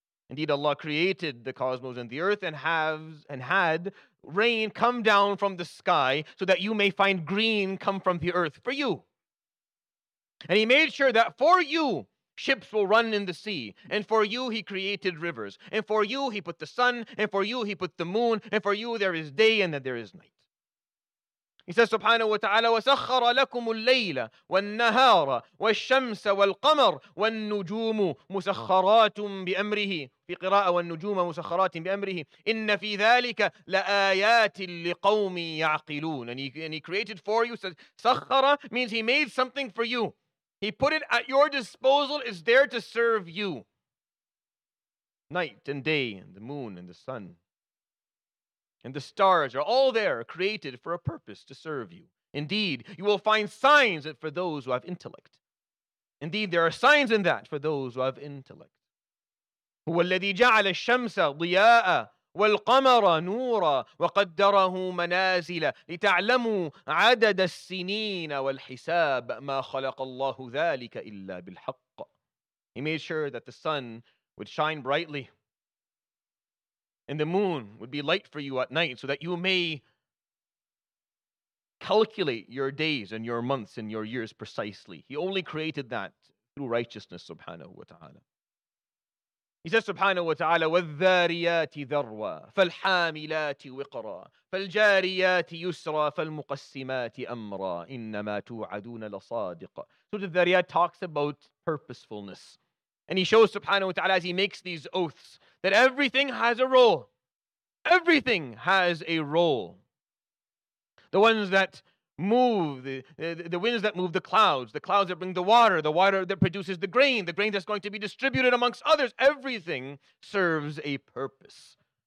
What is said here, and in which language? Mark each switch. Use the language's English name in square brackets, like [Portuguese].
[English] Indeed, Allah created the cosmos and the earth and had rain come down from the sky so that you may find green come from the earth for you. And He made sure that for you ships will run in the sea. And for you, he created rivers. And for you, he put the sun. And for you, he put the moon. And for you, there is day and then there is night. He says, subhanahu wa ta'ala, [Arabic] وَسَخَّرَ لَكُمُ اللَّيْلَ وَالنَّهَارَ وَالشَّمْسَ وَالْقَمَرَ وَالنُّجُومُ مُسَخَّرَاتٌ بِأَمْرِهِ فِي قِرَاءَةٍ وَالنُّجُومَ مُسَخَّرَاتٍ بِأَمْرِهِ إِنَّ فِي ذَلِكَ لَآيَاتٍ لِقَوْمٍ يَعْقِلُونَ. [English] And he created for you, says, سَخَّرَ means he made something for you. He put it at your disposal, is there to serve you. Night and day, and the moon and the sun. And the stars are all there, created for a purpose to serve you. Indeed, you will find signs for those who have intellect. Indeed, there are signs in that for those who have intellect. [Arabic] هو الذي جعل الشمس ضياء والقمر نورا وقدره منازل لتعلموا عدد السنين والحساب ما خلق الله ذلك إلا بالحق. [English] He made sure that the sun would shine brightly. And the moon would be light for you at night so that you may calculate your days and your months and your years precisely. He only created that through righteousness, subhanahu wa ta'ala. He says, subhanahu wa ta'ala, [Arabic] وَالذَّارِيَاتِ ذَرْوَى فَالْحَامِلَاتِ وِقْرَى فَالْجَارِيَاتِ يُسْرَى فَالْمُقَسِّمَاتِ أَمْرَى إِنَّمَا تُوْعَدُونَ لَصَادِقَ. [English] So the Dhariyat talks about purposefulness. And he shows, subhanahu wa ta'ala, as he makes these oaths, that everything has a role. Everything has a role. The ones that move, the winds that move the clouds that bring the water that produces the grain that's going to be distributed amongst others, everything serves a purpose.